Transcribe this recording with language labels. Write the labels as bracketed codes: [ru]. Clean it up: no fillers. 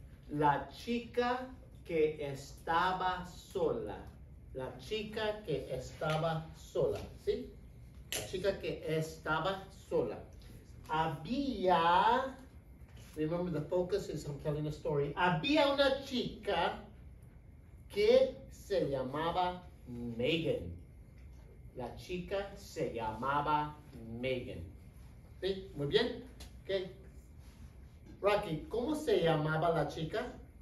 [es] La chica que estaba sola. La chica que estaba sola. ¿Sí? La chica que estaba sola. Había. [en] Remember the focus is I'm telling a story. [es] Había una chica que se llamaba Megan. La chica se llamaba Megan. ¿Sí? Muy bien. Okay. Rocky, ¿cómo se llamaba la chica?